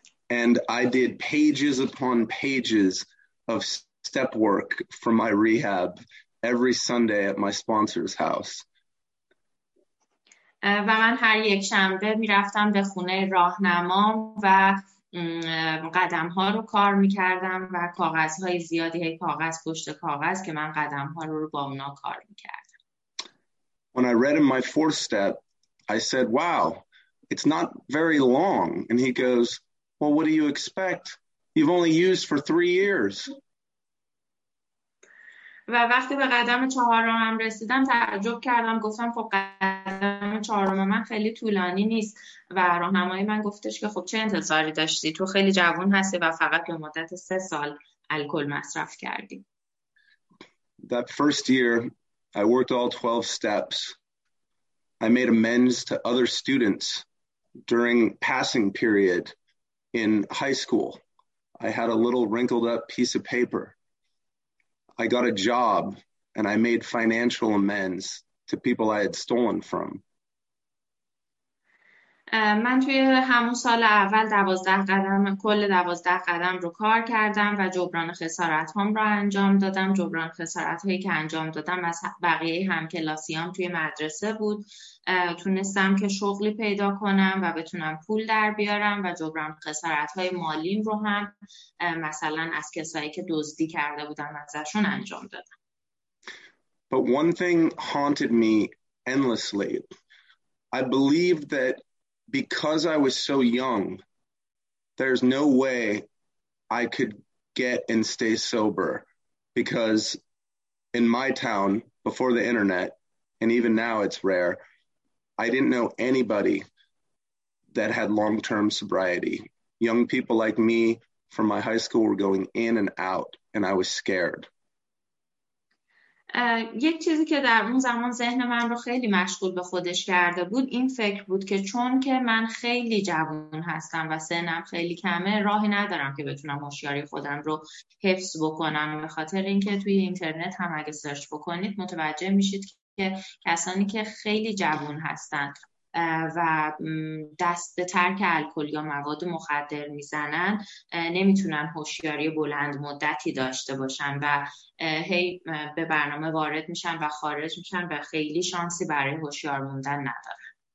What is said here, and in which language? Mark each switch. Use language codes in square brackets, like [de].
[en] And I did pages upon pages of step work for my rehab every Sunday at my sponsor's house. [fa] و من هر یک شنبه می رفتم به خونه راهنما و قدم ها رو کار می کردم و کاغذ های زیادی کاغذ پشت کاغذ که من قدم ها رو با اونا کار می کردم. [en] When I read him my fourth step, I said, wow, it's not very long. And he goes, well, what do you expect? You've only used for 3 years. [fa] و وقتی به قدم چهارم رسیدم تعجب کردم، گفتم خب قدم چهارم من خیلی طولانی نیست و راهنمای من گفتش که خب چه انتظاری داشتی، تو خیلی جوان هستی و فقط به مدت 3 سال الکل مصرف کردی. [en] That first year I worked all 12 steps. I made amends to other students during passing period in high school. I had a little wrinkled up piece of paper. I got a job and I made financial amends to people I had stolen from. [fa] من توی همون سال اول 12 قدم رو کار کردم و جبران خسارت هام رو انجام دادم. جبران خسارت هایی که انجام دادم از بقیه همکلاسیام توی مدرسه بود. تونستم که شغلی پیدا کنم و بتونم پول در بیارم و جبران خسارت های مالیم رو هم مثلا از کسایی که دزدی کرده بودم ازشون انجام دادم. [en] But one thing haunted me endlessly. I believed that because I was so young, there's no way I could get and stay sober. Because in my town, before the internet, and even now it's rare, I didn't know anybody that had long-term sobriety. Young people like me from my high school were going in and out, and I was scared. [fa] یک چیزی که در اون زمان ذهن من رو خیلی مشغول به خودش کرده بود این فکر بود که چون که من خیلی جوان هستم و سنم خیلی کمه، راهی ندارم که بتونم هوشیاری خودم رو حفظ بکنم. به خاطر اینکه توی اینترنت هم اگه سرچ بکنید متوجه میشید که کسانی که خیلی جوان هستن و دست به ترک الکل یا مواد مخدر میزنن نمیتونن هوشیاری بلند مدتی داشته باشن و هی به برنامه وارد میشن و خارج میشن و خیلی شانسی برای هوشیار موندن ندارن.